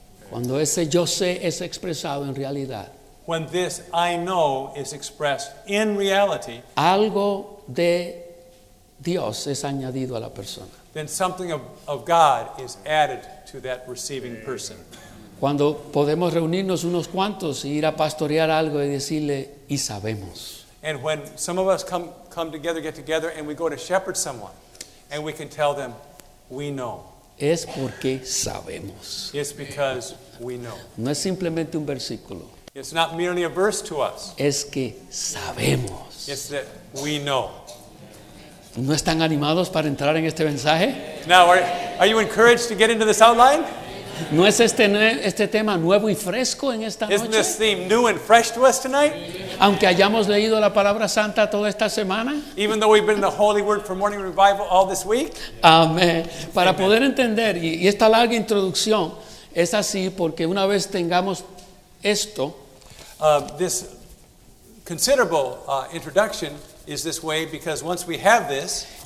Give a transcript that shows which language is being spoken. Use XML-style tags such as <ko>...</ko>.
<es>Cuando ese yo sé es expresado en realidad.</es> <en>When this I know is expressed in reality.</en> <es>Algo de Dios es añadido a la persona.</es> <en>Then something of God is added to that receiving person.</en> <es>Cuando podemos reunirnos unos cuantos y ir a pastorear algo y decirle, y sabemos.</es> <en>And when some of us come together and we go to shepherd someone and we can tell them, we know.</en> <es>Es porque sabemos.</es> <en>It's because we know.</en> <es>No es simplemente un versículo.</es> <en>It's not merely a verse to us.</en> <es>Es que sabemos.</es> <en>It's that we know.</en> <es>¿No están animados para entrar en este mensaje?</es> <en>Now, are you encouraged to get into this outline?</en> <es>¿No es este tema nuevo y fresco en esta noche?</es> <en>Isn't this theme new and fresh to us tonight?</en> <es>Aunque hayamos leído la Palabra Santa toda esta semana.</es> <en>Even though we've been in the Holy Word for morning revival all this week.</en> <es>Amén. Para Amen. Poder entender, y esta larga introducción es así porque una vez tengamos esto.</es> <en>This considerable introduction is this way because once we have this,</en>